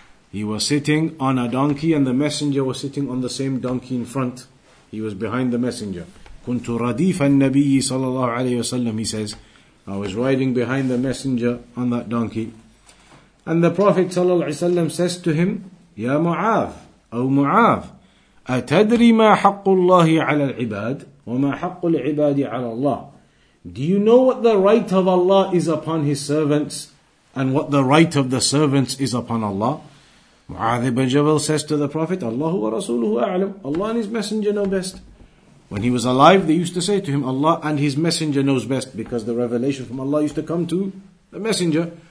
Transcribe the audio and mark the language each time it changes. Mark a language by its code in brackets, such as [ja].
[en] He was sitting on a donkey, and the messenger was sitting on the same donkey in front. He was behind the messenger. [ar] Kuntu radifa an-nabiyyi sallallahu alaihi wasallam. [en] He says, I was riding behind the messenger on that donkey, and the Prophet sallallahu alaihi wasallam says to him, Ya Mu'adh. [ar] أو معاذ أتدري ما حق الله على العباد وما حق العباد على الله. [en] Do you know what the right of Allah is upon his servants and what the right of the servants is upon Allah? معاذ بن جبل says to the Prophet, [ar] الله ورسوله أعلم. [en] Allah and his messenger know best. When he was alive, they used to say to him, Allah and his messenger knows best, because the revelation from Allah used to come to the messenger.